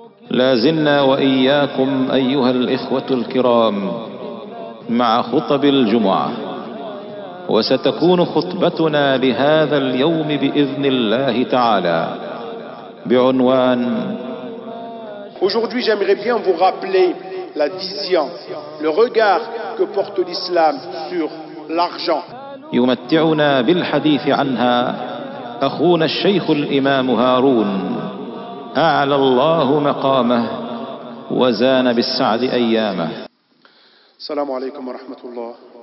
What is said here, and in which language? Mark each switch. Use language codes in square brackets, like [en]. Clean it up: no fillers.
[ar] لازلنا وإياكم أيها الإخوة الكرام مع خطب الجمعة، وستكون خطبتنا لهذا اليوم بإذن الله تعالى بعنوان [fr] Aujourd'hui j'aimerais bien vous rappeler la vision, le regard que porte l'islam sur l'argent. [ar] يمتعنا بالحديث عنها أخونا الشيخ الإمام هارون أعلى الله مقامه وزان بالسعد أيامه. السلام عليكم ورحمة الله.